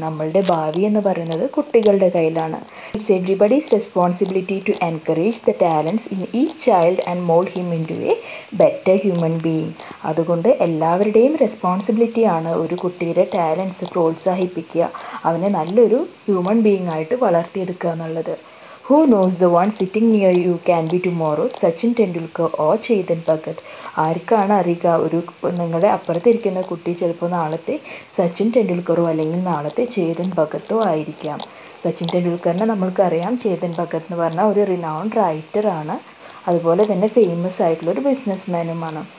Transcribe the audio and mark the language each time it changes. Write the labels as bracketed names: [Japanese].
[Malayalam] നമ്മളുടെ ഭാവി എന്ന് പറയുന്നത് കുട്ടികളുടെ കയ്യിലാണ്. [English] It's everybody's responsibility to encourage the talents in each child and mould him into a better human being. [Malayalam] അതുകൊണ്ട് എല്ലാവരുടെയും റെസ്പോൺസിബിലിറ്റിയാണ് ഒരു കുട്ടിയുടെ ടാലൻസ് പ്രോത്സാഹിപ്പിക്കുക, അവനെ നല്ലൊരു ഹ്യൂമൻ ബീയിങ് ആയിട്ട് വളർത്തിയെടുക്കുക എന്നുള്ളത്. [English] Who knows, the one sitting near you can be tomorrow Sachin Tendulkar or Chetan Bhagat. [Malayalam] ആർക്കാണ് അറിയുക, ഒരു നിങ്ങളുടെ അപ്പുറത്തിരിക്കുന്ന കുട്ടി ചിലപ്പോൾ നാളത്തെ സച്ചിൻ ടെണ്ടുൽക്കറോ അല്ലെങ്കിൽ നാളത്തെ ചേതൻ ഭഗത്തോ ആയിരിക്കാം. സച്ചിൻ ടെണ്ടുൽക്കറിനെ നമ്മൾക്കറിയാം, ചേതൻ ഭഗത് എന്ന് പറഞ്ഞാൽ ഒരു റിനൗൺഡ് റൈറ്ററാണ്, അതുപോലെ തന്നെ ഫേമസ് ആയിട്ടുള്ള ഒരു ബിസിനസ് മാനുമാണ്.